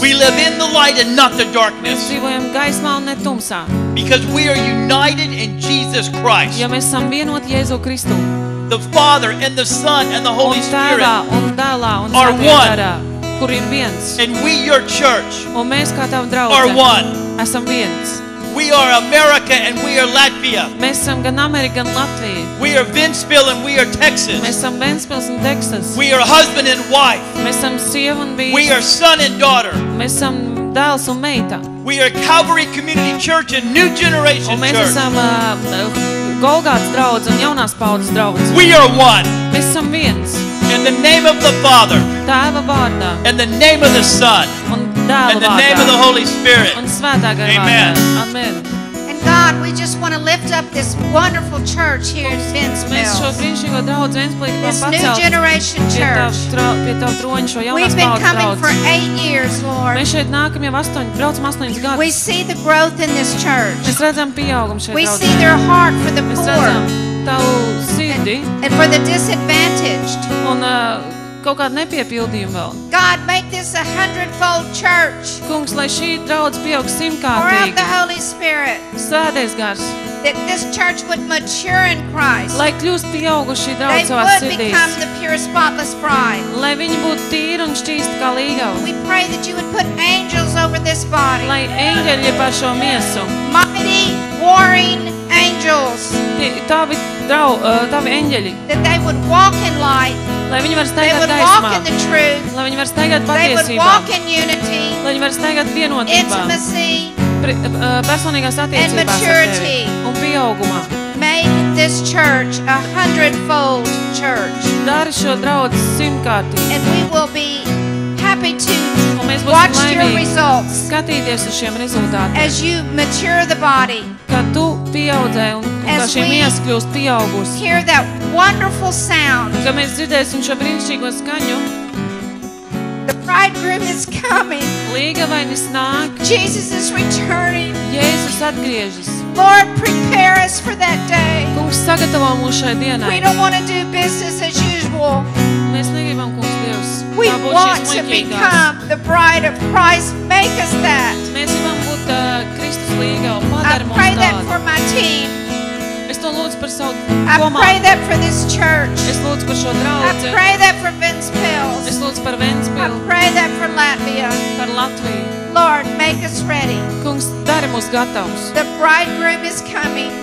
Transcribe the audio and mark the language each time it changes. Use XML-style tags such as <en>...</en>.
<en>We live in the light and not the darkness.</en> <lv>Mēs dzīvojam gaismā un ne tumsā.</lv> <en>Because we are united in Jesus Christ.</en> <lv>Jo mēs esam vienoti Jēzu Kristu.</lv> <en>The Father and the Son and the Holy Spirit.</en> <lv>Un Dēlā un Svētajā Garā. Kur ir viens.</lv> <en>And we your church.</en> <lv>Un mēs kā tava draudze.</lv> <en>Are one.</en> <lv>Esam viens.</lv> <en>We are America and we are Latvia.</en> <lv>Mēs esam gan Amerika, gan Latvija.</lv> <en>We are Ventspils and we are Texas.</en> <lv>Mēs esam Ventspils un Texas.</lv> <en>We are husband and wife.</en> <lv>Mēs esam sieva un vīrs.</lv> <en>We are son and daughter.</en> <lv>Mēs esam dēls un meita.</lv> <en>We are Calvary Community Church and New Generation Church.</en> <lv>Un mēs esam Golgotas draudze un jaunās paudzes draudze.</lv> <en>We are one.</en> <lv>Mēs esam viens.</lv> <en>In the name of the Father.</en> <lv>Tēva vārdā.</lv> <en>In the name of the Son.</en> <lv>Un Dēla vārdā.</lv> <en>In the name of the Holy Spirit.</en> <lv>Un Svētā Gara vārdā.</lv> <en>Amen.</en> <lv>Amen.</lv> <en>And God, we just want to lift up this wonderful church here in Ventspils.</en> <lv>Mēs šo brīnišķīgo draudzi Ventspils gribam pacelt.</lv> <en>This new generation church.</en> <lv>Pie tavu troņu šo jaunās paudzes draudzi.</lv> <en>We've been coming for 8 years, Lord.</en> <lv>Mēs šeit nākam jau braucam 8 gadus.</lv> <en>We see the growth in this church.</en> <lv>Mēs redzam pieaugumu šeit draudzi.</lv> <en>We see their heart for the poor. And for the disadvantaged.</en> <lv>Un kaut kādu nepiepildījumu vēl.</lv> <en>God, make this a hundredfold church.</en> <lv>Kungs, lai šī draudz pieaug simtkārtīgi.</lv> <en>Pour out the Holy Spirit.</en> <lv>Svētais Gars.</lv> <en>That this church would mature in Christ.</en> <lv>Lai kļūst pieaugušī draudz savā sirdī.</lv> <en>They would become the pure spotless bride.</en> <lv>Lai viņi būtu tīri un šķīsti kā līga.</lv> <en>We pray that you would put angels over this body.</en> <lv>Lai eņģeļi pār šo miesu.</lv> <en>Mighty warring angels.</en> <lv>Tavi eņģeļi.</lv> <en>That they would walk in light.</en> <lv>Lai viņi var staigāt gaismā.</lv> <en>walk in the truth.</en> <lv>Lai viņi var staigāt patiesībā.</lv> <en>They would walk in unity.</en> <lv>Lai viņi var staigāt vienotībā.</lv> <en>Intimacy.</en> <lv>Personīgās attiecībās.</lv> <en>And maturity.</en> <lv>Un pieaugumā.</lv> <en>Make this church a hundredfold church.</en> <lv>Dari šo draudzi simtkārtīgi.</lv> <en>And we will be happy to Watch your results.</en> <lv>Skatīties uz šiem rezultātiem.</lv> <en>As you mature the body.</en> <lv>Kad tu pieaudzē un kad šie miesas kļūst pieaugus.</lv> <en>Hear that wonderful sound.</en> <lv>Kad mēs dzirdēsim šo brīnišķīgo skaņu.</lv> <en>The bridegroom is coming.</en> <lv>Līgavainis nāk.</lv> <en>Jesus is returning.</en> <lv>Jēzus atgriežas.</lv> <en>Lord, prepare us for that day.</en> <lv>Kungs, sagatavo mūs šai dienai.</lv> <en>We don't want to do business as usual.</en> <lv>Mēs negribam, Kungs, Dievs.</lv> <en>We want to become the bride of Christ. Make us that.</en> <lv>Mēs gribam būt Kristus līga un padar mums tādu.</lv> <en>I pray that for my team.</en> <lv>Es to lūdzu par savu komandu.</lv> <en>I pray that for this church.</en> <lv>Es lūdzu par šo draudzi.</lv> <en>I pray that for Ventspils.</en> <lv>Es lūdzu par Ventspili.</lv> <en>I pray that for Latvia.</en> <lv>Par Latviju.</lv> <en>Lord, make us ready.</en> <lv>Kungs, dari mūs gatavs.</lv> <en>The bridegroom is coming.</en>